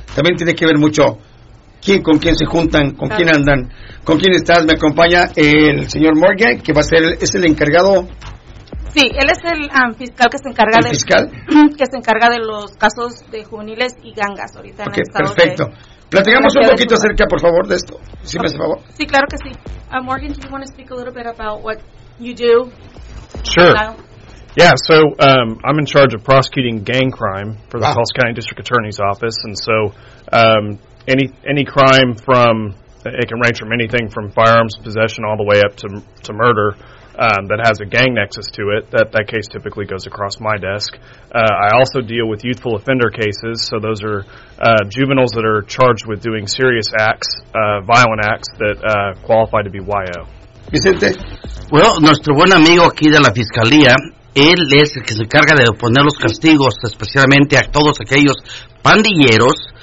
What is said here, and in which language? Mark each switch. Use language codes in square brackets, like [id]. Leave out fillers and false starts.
[es] También tiene que ver mucho quién con quién se juntan, con quién andan, con quién estás. Me acompaña el señor Morgan, que va a ser, es el encargado. Sí, él es el fiscal que se encarga de... fiscal? Que se encarga de los casos de juveniles y gangas ahorita, okay, en el estado. Perfecto. Platicamos un poquito acerca, por favor, de esto. Sí, okay. Me hace favor. Sí, claro que sí. [en] Morgan, do you want to speak a little bit about what you do? Sure. Yeah, so I'm in charge of prosecuting gang crime for the Tulsa County District Attorney's Office, and so any crime from, it can range from anything from firearms possession all the way up to murder that has a gang nexus to it, that case typically goes across my desk. I also deal with youthful offender cases, so those are juveniles that are charged with doing serious acts, violent acts that qualify to be YO. [es] Vicente. Well, nuestro buen amigo aquí de la Fiscalía, él es el que se encarga de poner los castigos, especialmente a todos aquellos pandilleros,